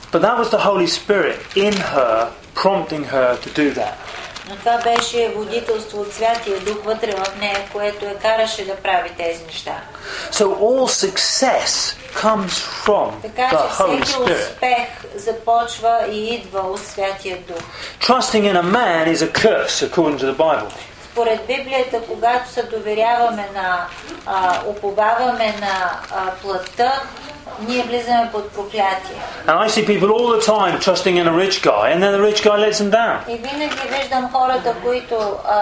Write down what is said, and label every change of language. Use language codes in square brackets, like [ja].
[en] But that was the Holy Spirit in her, prompting her to do that. [bg] Но това беше водителство от Святия Дух вътре в нея, което я караше да прави тези неща. [en] So all success comes from the Holy Spirit. [bg] Всеки успех започва и идва от Святия Дух. [en] Trusting in a man is a curse, according to the Bible. [bg] Според Библията, когато се доверяваме на, уповаваме на плътта, ние влизаме под проклятие. [en] And I see people all the time trusting in a rich guy, and then the rich guy lets them down. [bg] И винаги виждам хората, които